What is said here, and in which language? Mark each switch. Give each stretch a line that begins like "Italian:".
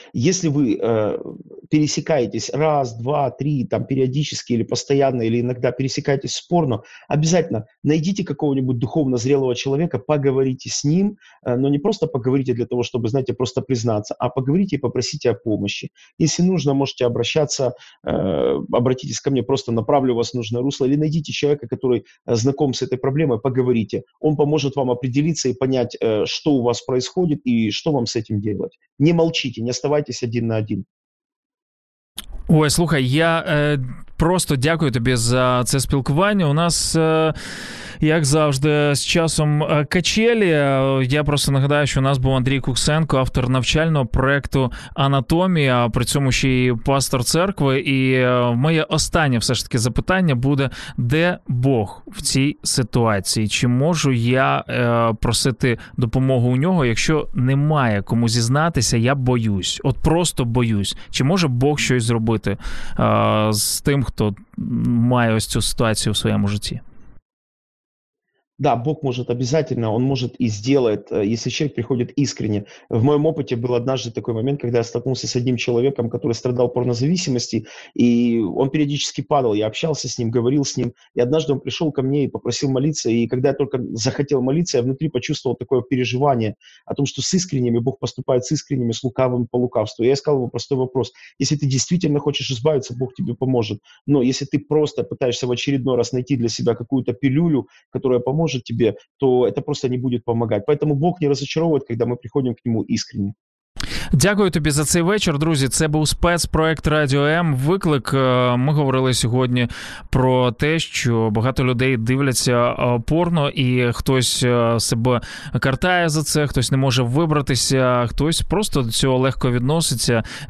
Ukrainian: Якщо ви пересікаєтесь раз, два, три, там, періодично, або постійно, або іноді пересікаєтесь спорно, обов'язково знайдіть якогось духовно зрілого чоловіка, поговорите з ним, але не просто поговорите для того, щоб, знаєте, просто признатися, а поговорите і попросите о допомозі. Якщо потрібно, можете обращатися,
Russian: обратитесь ко мне, просто направлю вас в нужное русло,
Ukrainian: або знайдіть чоловіка, який знаком з цією проблемою, поговорите. Він поможе вам определитися і зрозуміти,
Russian: что у вас происходит и что вам с этим делать. Не молчите, не оставайтесь один на один.
Ukrainian: Ой, слухай, я просто дякую тобі за це спілкування. У нас, як завжди, з часом качелі. Я просто нагадаю, що у нас був Андрій Куксенко, автор навчального проєкту «Анатомія», а при цьому ще й пастор церкви. І моє останнє все ж таки запитання буде, де Бог в цій ситуації? Чи можу я просити допомогу у нього, якщо немає кому зізнатися, я боюсь. От просто боюсь. Чи може Бог щось зробити з тим, хто має ось цю ситуацію в своєму житті?
Russian: Да, Бог может обязательно, он может и сделает, если человек приходит искренне. В моем опыте был однажды такой момент, когда я столкнулся с одним человеком, который страдал порнозависимостью, и он периодически падал. Я общался с ним, говорил с ним, и однажды он пришел ко мне и попросил молиться. И когда я только захотел молиться, я внутри почувствовал такое переживание о том, что с искренними Бог поступает, с искренними, с лукавым по лукавству. Я сказал ему простой вопрос. Если ты действительно хочешь избавиться, Бог тебе поможет. Но если ты просто пытаешься в очередной раз найти для себя какую-то пилюлю, которая поможет, может тебе, то это просто не будет помогать. Поэтому Бог не разочаровывает, когда мы приходим к нему искренне.
Ukrainian: Дякую тобі за цей вечір, друзі. Це був спецпроект Радіо М. Виклик. Ми говорили сьогодні про те, що багато людей дивляться порно, і хтось себе картає за це, хтось не може вибратися, хтось просто до цього легко відноситься.